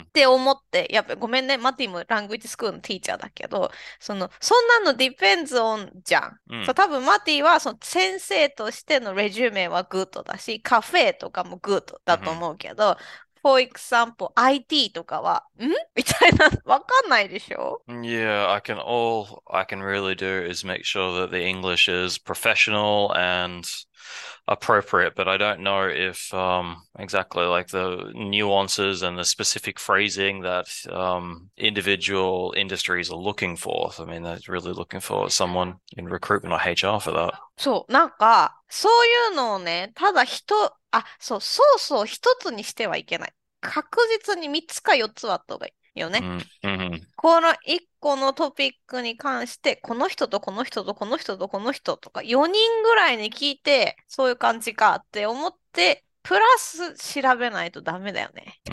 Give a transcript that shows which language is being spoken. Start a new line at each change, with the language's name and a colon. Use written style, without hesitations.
Japanese: って思って、やっぱごめんね、マティもラングイッチスクールのティーチャーだけど、その、そんなのディペンズオンじゃん。そう、多分マティはその先生としてのレジュメはグッドだし、カフェとかもグッドだと思うけど、
English: for example, IT
Japanese: とかは、ん？みたいな、わかんないでしょ？
English: Yeah, I can really do is make sure that the English is professional and appropriate, but I don't know if exactly like the nuances and the specific phrasing that individual industries are looking for. I mean, they're really looking for someone in recruitment or HR for that.
Japanese: そう、なんか、そういうのをね、ただ そう、そうそう、一つにしてはいけない。確実に三つか四つはあった方がいいよね。この一個のトピックに関して、この人とこの人とこの人とこの人とか、四人ぐらいに聞いて、そういう感じかって思って、プラス調べないとダメだよね。